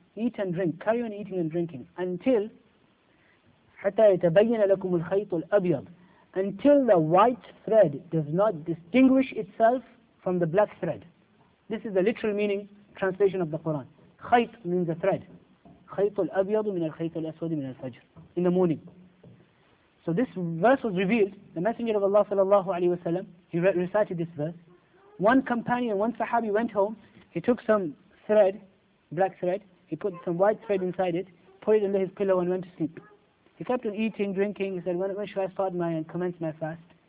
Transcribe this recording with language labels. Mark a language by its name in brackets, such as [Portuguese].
[English] Eat and drink, carry on eating and drinking until [Arabic] حَتَّى يَتَبَيَّنَ لَكُمُ الْخَيْطُ الْأَبْيَضُ, [English] until the white thread does not distinguish itself from the black thread. This is the literal meaning translation of the Quran. خَيْط means a thread. [Arabic] خَيْطُ الْأَبْيَضُ مِنَ الْخَيْطِ الْأَسْوَدِ مِنَ الْفَجْرِ, [English] in the morning. So this verse was revealed, the Messenger of Allah sallallahu alayhi wa sallam, he recited this verse. One companion, one sahabi went home, he took some thread, black thread, he put some white thread inside it, put it under his pillow and went to sleep. He kept on eating, drinking, he said, when should I start my and commence my fast?